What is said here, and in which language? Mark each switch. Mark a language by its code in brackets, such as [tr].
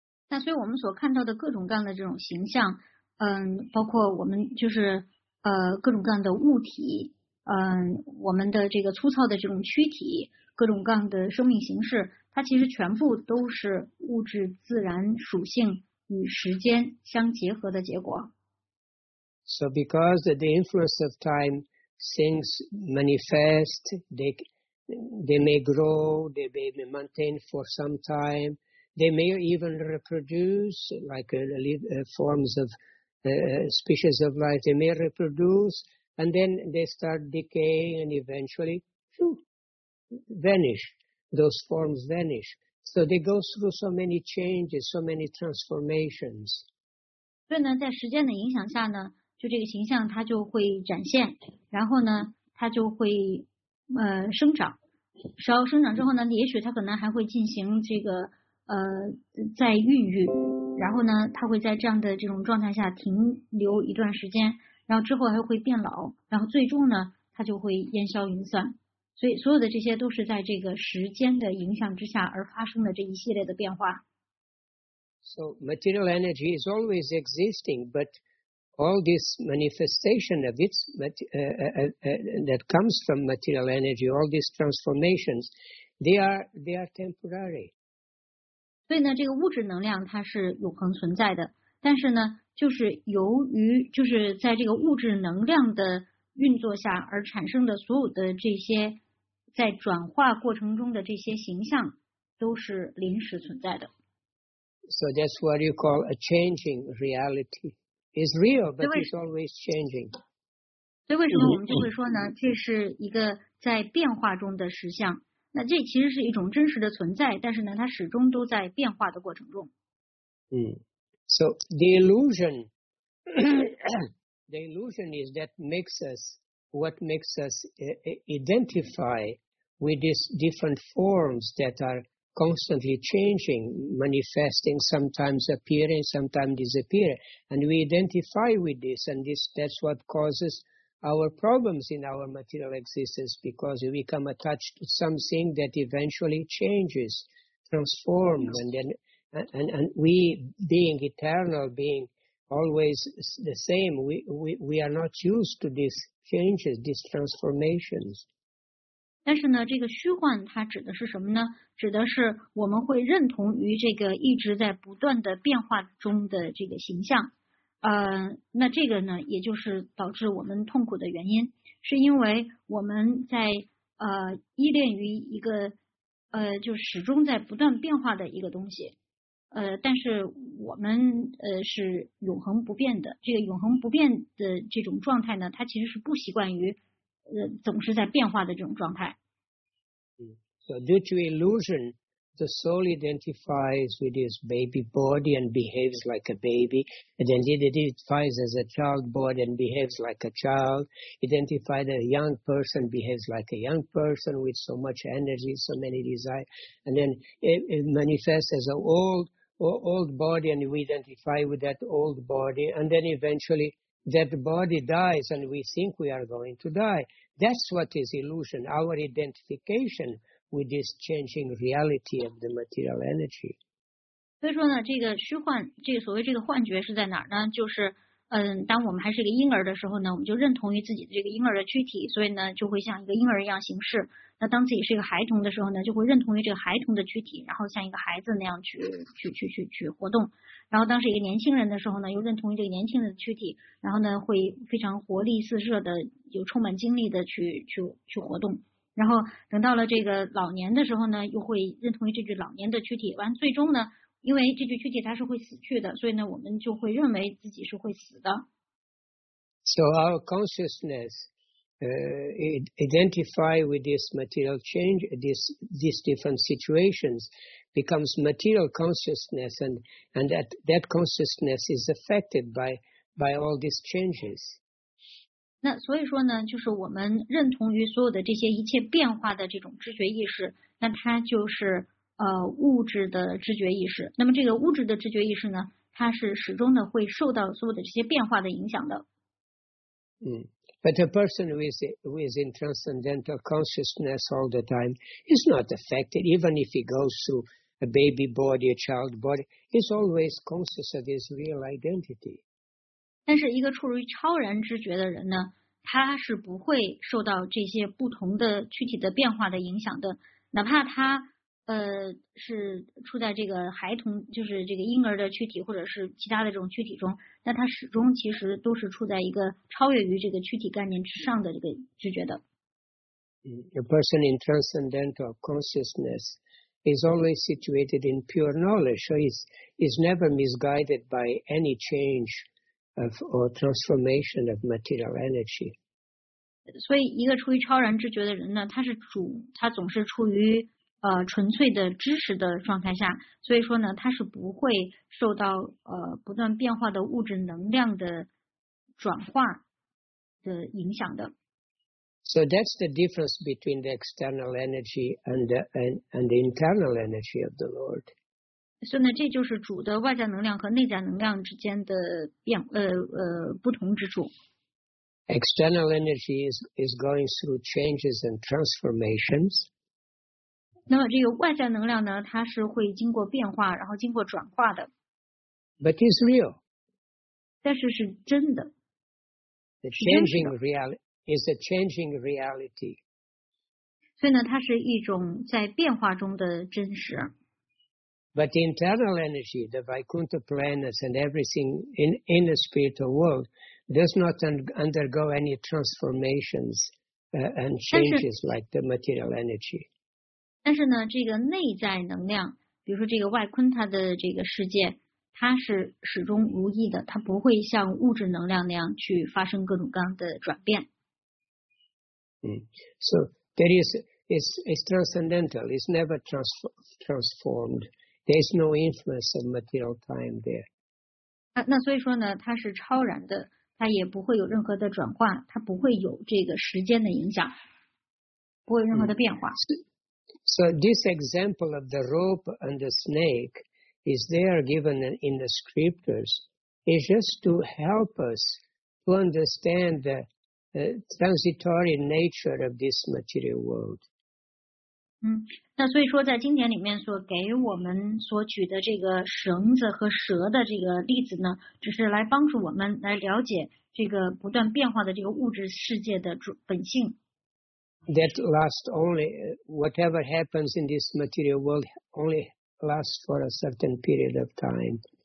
[zh] 那所以我们所看到的各种各样的这种形象，包括我们就是各种各样的物体，我们的这个粗糙的这种躯体，各种各样的生命形式，它其实全部都是物质自然属性与时间相结合的结果。 [en] So because the influence of time, things manifest, they may grow, they may be maintained for some time, they may even reproduce like forms of species of life, they may reproduce, and then they start decaying and eventually vanish, those forms vanish. So they go through so many changes, so many transformations. [zh] 所以呢，在时间的影响下呢，就这个形象它就会展现，然后呢，它就会生长，然后生长之后呢，也许它可能还会进行这个在孕育，然后呢，它会在这样的这种状态下停留一段时间，然后之后还会变老，然后最终呢，它就会烟消云散。所以所有的这些都是在这个时间的影响之下而发生的这一系列的变化。 [en] So material energy is always existing, but all this manifestation of its that comes from material energy, all these transformations, they are temporary. [zh] 所以呢，这个物质能量它是永恒存在的，但是呢，就是由于就是在这个物质能量的运作下而产生的所有的这些。在转化过程中的这些形象都是临时存在的。 [en] So that's what you call a changing reality. It's real, but it's always changing. [zh] 所以为什么我们就会说呢？这是一个在变化中的实相。那这其实是一种真实的存在，但是呢，它始终都在变化的过程中。 [en] So the illusion is that makes us. What makes us identify with these different forms that are constantly changing, manifesting, sometimes appearing, sometimes disappearing. And we identify with this, and that's what causes our problems in our material existence, because we become attached to something that eventually changes, transforms, and we, being eternal, being always the same, we are not used to this. Changes, these transformations. [zh] 但是呢，这个虚幻它指的是什么呢？指的是我们会认同于这个一直在不断的变化中的这个形象。那这个呢，也就是导致我们痛苦的原因，是因为我们在依恋于一个就始终在不断变化的一个东西。但是我们是永恒不变的，这个永恒不变的这种状态呢，它其实是不习惯于总是在变化的这种状态。 [en] So due to illusion, the soul identifies with its baby body and behaves like a baby. Then it identifies as a child body and behaves like a child. Identified as a young person, behaves like a young person with so much energy, so many desires, and then it manifests as an old body, and we identify with that old body, and then eventually that body dies, and we think we are going to die. That's what is illusion, our identification with this changing reality of the material energy. [zh] 所以说呢，这个虚幻，这个所谓这个幻觉是在哪儿呢？就是，当我们还是个婴儿的时候呢，我们就认同于自己的这个婴儿的躯体，所以呢，就会像一个婴儿一样行事。那当自己是一个孩童的时候呢，就会认同于这个孩童的躯体，然后像一个孩子那样去活动。然后当是一个年轻人的时候呢，又认同于这个年轻人的躯体，然后呢会非常活力四射的，有充满精力的去活动。然后等到了这个老年的时候呢，又会认同于这具老年的躯体。完最终呢，因为这具躯体它是会死去的，所以呢我们就会认为自己是会死的。 [en] So our consciousness. Identify with this material change, these different situations, becomes material consciousness, and that consciousness is affected by all these changes. [zh] 那所以说呢，就是我们认同于所有的这些一切变化的这种知觉意识，那它就是物质的知觉意识。那么这个物质的知觉意识呢，它是始终的会受到所有的这些变化的影响的。 [en] But a person who is in transcendental consciousness all the time is not affected, even if he goes through a baby body, a child body, he's always conscious of his real identity. [zh] 但是一个处于超然之觉的人呢，他是不会受到这些不同的躯体的变化的影响的，哪怕他是处在这个孩童，就是这个婴儿的躯体或者是其他的这种躯体中，但他始终其实都是处在一个超越于这个躯体概念之上的这个知觉的。 [en] A person in transcendental consciousness is always situated in pure knowledge, so he's never misguided by any change of or transformation of material energy. [zh] 所以一个处于超然知觉的人呢，他总是处于纯粹的知识的状态下，所以说呢，他是不会受到不断变化的物质能量的转化的影响的。 [en] So that's the difference between the external energy and the internal energy of the Lord. So [zh] 呢，这就是主的外在能量和内在能量之间的不同之处。 [en] External energy is going through changes and transformations. [zh] 那么这个外在能量呢，它是会经过变化，然后经过转化的。 [en] But it's real. [zh] 但是是真的。 [en] The changing reality. Is a changing reality. [zh] 所以呢，它是一种在变化中的真实。 [en] But the internal energy, the Vaikuntha planets and everything in the spiritual world does not undergo any transformations and changes like the material energy. [zh] 但是呢，这个内在能量，比如说这个外昆塔的这个世界，它是始终如一的，它不会像物质能量那样去发生各种各样的转变。 [en] So there is transcendental. It's never transformed. There is no influence of material time there. [zh] 那所以说呢，它是超然的，它也不会有任何的转化，它不会有这个时间的影响，不会有任何的变化。 [en] So this example of the rope and the snake is there given in the scriptures is just to help us to understand that. Transitory nature of this material world. [zh] 那所以说在经典里面所给我们所举的这个绳子和蛇的这个例子呢，只是来帮助我们来了解这个不断变化的这个物质世界的本性。 [en] That lasts only, whatever happens in this material world only lasts for a certain period of time.